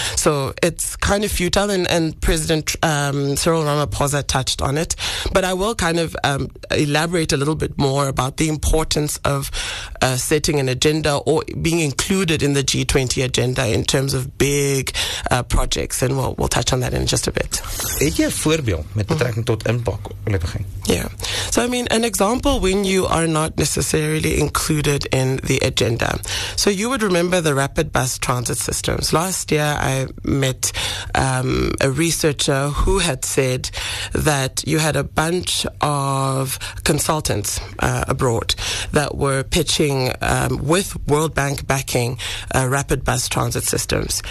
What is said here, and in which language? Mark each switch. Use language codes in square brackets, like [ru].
[en] So it's kind of futile, and President Cyril Ramaphosa touched on it. But I will kind of elaborate a little bit more about the importance of setting an agenda or being included in the G20 agenda in terms of big projects. And we'll touch on that in just a bit. [af] Het jy 'n voorbeeld met betrekking tot impak op die begin? [en] Yeah. So, I mean, an example when you are not necessarily included in the agenda. So you would remember the rapid bus transit systems. Last year, I met a researcher who had said that you had a bunch of consultants abroad that were pitching with World Bank backing rapid bus transit systems.